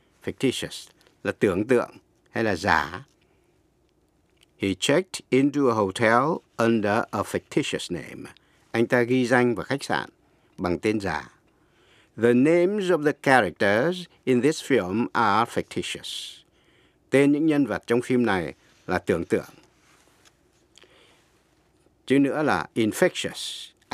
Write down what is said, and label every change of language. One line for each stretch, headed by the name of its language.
English: Fictitious
Vietnamese: là tưởng tượng hay là giả.
English: He checked into a hotel under a fictitious name.
Vietnamese: Anh ta ghi danh vào khách sạn bằng tên giả.
English: The names of the characters in this film are fictitious.
Vietnamese: Tên những nhân vật trong phim này là tưởng tượng.
English: Chữ nữa là infectious.